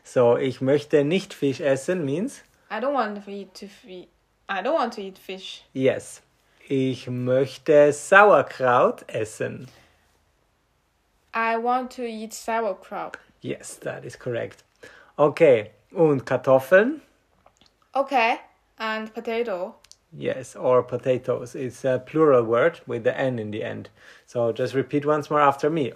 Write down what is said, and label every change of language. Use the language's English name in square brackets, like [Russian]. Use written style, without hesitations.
[German] So, ich möchte nicht Fisch essen [English] means? I don't want to eat I don't want to eat fish. Yes. [German] Ich möchte Sauerkraut essen. [English] I want to eat sauerkraut. Yes, that is correct. Okay, [German] und Kartoffeln? [English] Okay, and potato. Yes, or potatoes. It's a plural word with the N in the end. So just repeat once more after me.